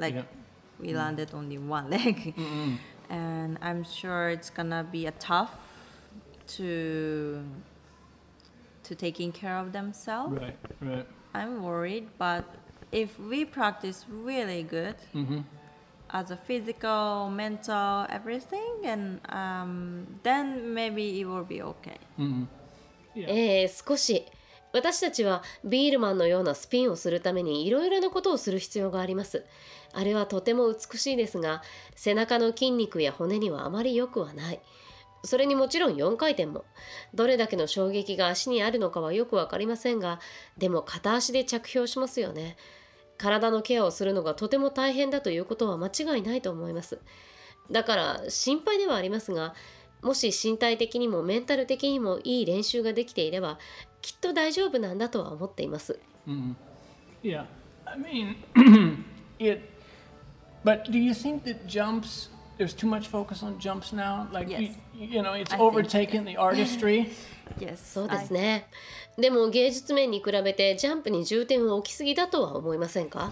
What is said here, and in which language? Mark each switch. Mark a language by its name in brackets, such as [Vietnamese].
[English] Like we landed only one leg. And I'm sure it's gonna be a tough to taking care of themselves. Right, right. I'm worried, but if we practice really good, as a physical, mental, everything, and then maybe it will be okay. [Japanese] Yeah. 少し。私たちはビールマンのようなスピンをするためにいろいろなことをする必要があります。あれはとても美しいですが、背中の筋肉や骨にはあまり良くはない。それにもちろん4回転も、どれだけの衝撃が足にあるのかはよくわかりませんが、でも片足で着氷しますよね。体のケアをするのがとても大変だということは間違いないと思います。だから心配ではありますが、もし身体的にもメンタル的にもいい練習ができていれば、きっと大丈夫なんだとは思っています。 [English] Yeah, I mean, it, but do you think that jumps, there's too much focus on jumps now? Like, you know, it's overtaken the artistry? Yes, [Japanese] そうですね。でも芸術面に比べてジャンプに重点を置きすぎだとは思いませんか?